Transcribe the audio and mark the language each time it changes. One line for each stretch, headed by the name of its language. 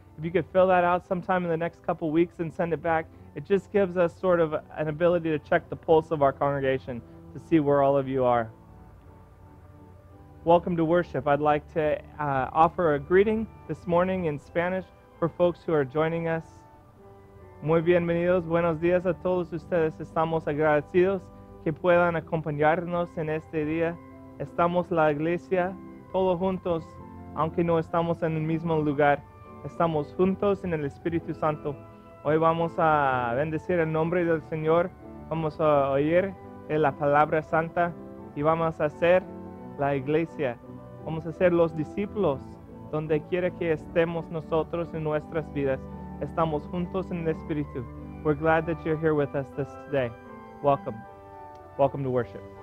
English: If you could fill that out sometime in the next couple weeks and send it back, it just gives us sort of an ability to check the pulse of our congregation to see where all of you are. Welcome to worship. I'd like to offer a greeting this morning in Spanish for folks who are joining us.
Spanish: Muy bienvenidos, buenos días a todos ustedes. Estamos agradecidos que puedan acompañarnos en este día. Estamos la iglesia, todos juntos, aunque no estamos en el mismo lugar. Estamos juntos en el Espíritu Santo. Hoy vamos a bendecir el nombre del Señor, vamos a oír la palabra santa y vamos a ser la iglesia. Vamos a ser los discípulos donde quiera que estemos nosotros en nuestras vidas. Estamos juntos en el Espíritu.
English: We're glad that you're here with us this day. Welcome. Welcome to worship.